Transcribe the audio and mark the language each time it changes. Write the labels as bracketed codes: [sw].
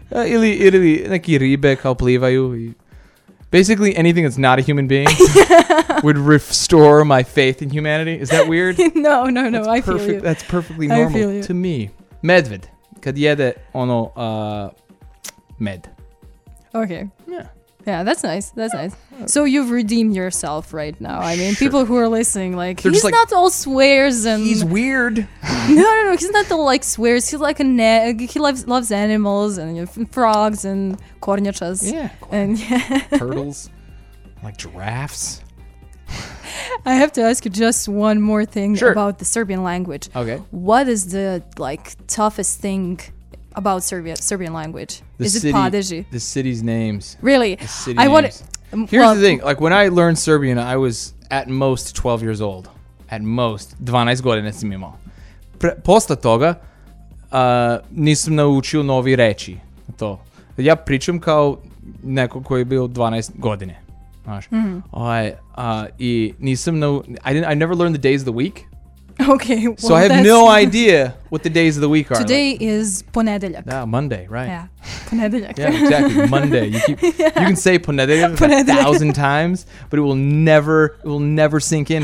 [sr] Ili neki ribe kao plivaju. [en] Basically anything that's not a human being would restore my faith in humanity. Is that weird? No, I feel you. That's perfectly normal to me. [sr] Medved. Kad jede ono med. [en] Okay. Yeah. Yeah, that's nice. That's nice. So you've redeemed yourself right now. I mean, sure. People who are listening, like, they're he's like, not all swears and... He's weird. No. He's not all, like, swears. He's like an egg. He loves animals and frogs and kornichas. Yeah. Turtles. Like giraffes. I have to ask you just one more thing about the Serbian language. Okay. What is the, like, toughest thing about Serbian language? The city's names. Really? Here's the thing. Like, when I learned Serbian, I was at most 12 years old. At most. [sr] 12 godina sam imao. Posle toga, nisam naučio novi reči. To. Ja pričam kao neko koji je bio 12 godine. [en] I never learned the days of the week. Okay. Well, so I have no idea what the days of the week are. Today is ponedeljak. Yeah, Monday, right? Yeah, ponedeljak. Yeah, exactly. Monday. You can say ponedeljak 1,000 times, but it will never sink in.